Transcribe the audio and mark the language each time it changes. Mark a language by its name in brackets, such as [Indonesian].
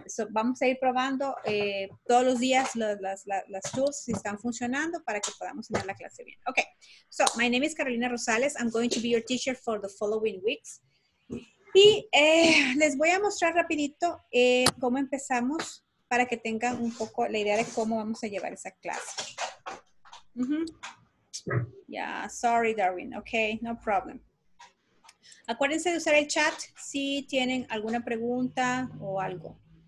[Spanish] Vamos a ir probando todos los días las tools si están funcionando para que podamos tener la clase bien. [English] Okay, so my name is Carolina Rosales. I'm going to be your teacher for the following weeks. [Spanish] Y les voy a mostrar rapidito cómo empezamos para que tengan un poco la idea de cómo vamos a llevar esa clase. [English] Mm-hmm. Yeah, sorry, Darwin. Okay, no problem. [Spanish] Acuérdense de usar el chat si tienen alguna pregunta o algo.